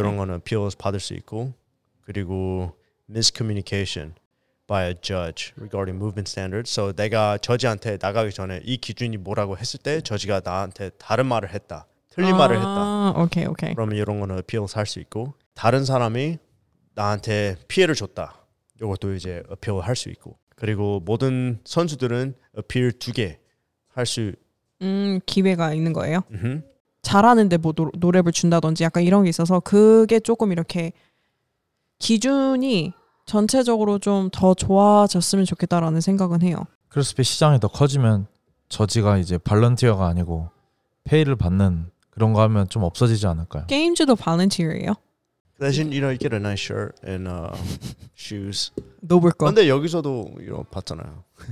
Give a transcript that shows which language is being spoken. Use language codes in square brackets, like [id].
[ko] 이런 거는 appeals 받을 수 있고, 그리고 [en] miscommunication by a judge regarding movement standards. [ko] So 내가 저지한테 나가기 전에 이 기준이 뭐라고 했을 때 저지가 나한테 다른 말을 했다, 틀린 말을 했다. 오케이, 오케이. 그러면 이런 거는 appeals 할 수 있고, 다른 사람이 나한테 피해를 줬다, 이것도 이제 appeal 할 수 있고. 그리고 모든 선수들은 어필 두 개 할 수 기회가 있는 거예요. Mm-hmm. 잘하는데 뭐 노랩을 준다든지 약간 이런 게 있어서 그게 조금 이렇게 기준이 전체적으로 좀 더 좋아졌으면 좋겠다라는 생각은 해요. 크로스핏 시장이 더 커지면 저지가 이제 발런티어가 아니고 페이를 받는 그런 거 하면 좀 없어지지 않을까요? 게임즈도 발런티어예요? 대신 이런 [en] you know, get a nice shirt and shoes. [ko] 노블 거. 근데 여기서도 이런 봤잖아요.